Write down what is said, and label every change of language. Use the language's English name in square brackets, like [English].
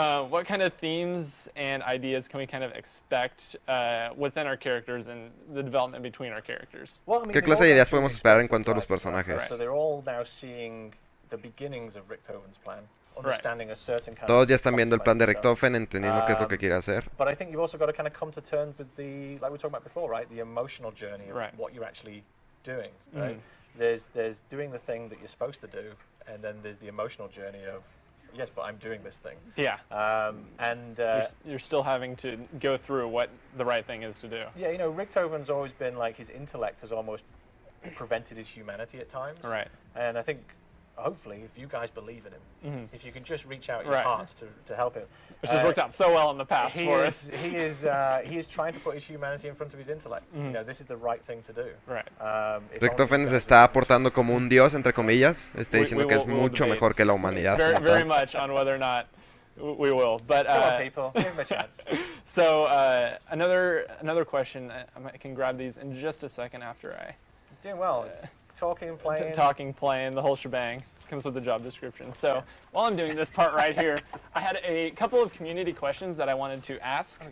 [English] what kind of themes and ideas can we kind of expect within our characters and the development between our characters? Well, I mean, [Spanish] ¿qué clase de ideas podemos esperar en cuanto a los personajes? [English] Right. So they're all now seeing the beginnings of Richthofen's plan. Understanding a certain kind [Spanish] todos ya están viendo el plan de Richthofen, entendiendo qué es lo que quiere hacer. [English] But I think you've also got to kind of come to terms with the, like we talked about before, right? The emotional journey of what you're actually doing, right? Mm. There's doing the thing that you're supposed to do, and then there's the emotional journey of, yes, but I'm doing this thing. Yeah. You're still having to go through what the right thing is to do. Yeah, you know, Richthofen's always been like his intellect has almost prevented his humanity at times. Right. And I think, hopefully, if you guys believe in him, if you can just reach out your hearts to help him. Which has worked out so well in the past for us. He is trying to put his humanity in front of his intellect. Mm. You know, this is the right thing to do. Right. [Spanish] Richthofen se está portando como un dios, entre comillas. Está diciendo que es mucho mejor que la humanidad. [English] Very, very much on whether or not we will. But, come on, people. Give him a chance. So, another question. I can grab these in just a second after I... Doing well. Talking, playing. Talking, playing, the whole shebang comes with the job description. So while I'm doing this part right here, I had a couple of community questions that I wanted to ask.